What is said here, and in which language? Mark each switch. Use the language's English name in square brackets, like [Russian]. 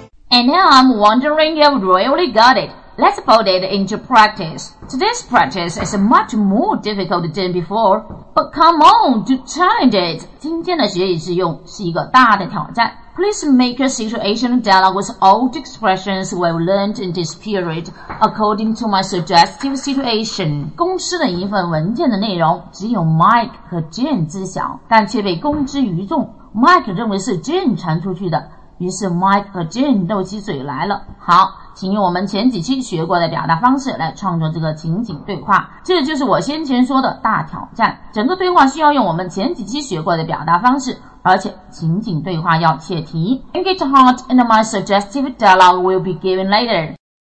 [English] And now I'm wondering if you really got it. Let's put it into practice. Today's practice is much more difficult than before. But come on, do challenge it. [Chinese] 今天的学以致用是一个大的挑战。 [English] Please make a situation dialogue with all the expressions we've learned in this period according to my suggestive situation. [Chinese] 公司的一份文件的内容只有 Mike 和 Jane 知晓，但却被公之于众。 Mike 认为是 Jane 传出去的，于是 Mike 和 Jane 斗起嘴来了。好，请用我们前几期学过的表达方式来创作这个情景对话。这就是我先前说的大挑战。整个对话需要用我们前几期学过的表达方式，而且情景对话要切题。 [English] Engage hard and my suggestive dialogue will be given later.